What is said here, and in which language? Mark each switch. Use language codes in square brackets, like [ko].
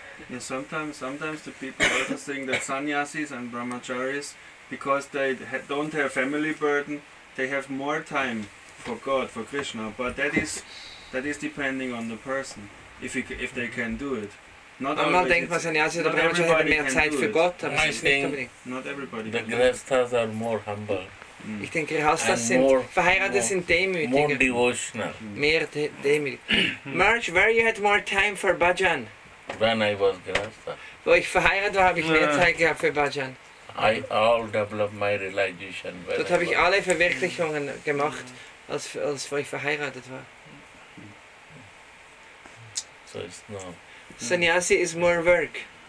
[en] Yeah, sometimes the people also think that sannyasis and brahmacharis, because they don't have family burden, they have more time for God, for Krishna. But that is depending on the person, if they can do it. Not [de] manchmal denkt man, sannyasis oder brahmacharis haben mehr Zeit für Gott, aber es ist nicht unbedingt. [en] Not everybody. The grihasthas are more humble. [de] Mm. Ich denke, Grihasthas sind verheiratet, sind demütiger. [en] More devotional. [de] Mehr demütig. [en] Marge, where you had more time for bhajan? When I was grihastha. [de] Wo ich verheiratet war, habe ich mehr Zeit gehabt für Bhajan. [en] I all developed my realization. [de] Dort habe ich alle Verwirklichungen gemacht, als wo ich verheiratet war. [en] So it's no. Sannyasi is more work.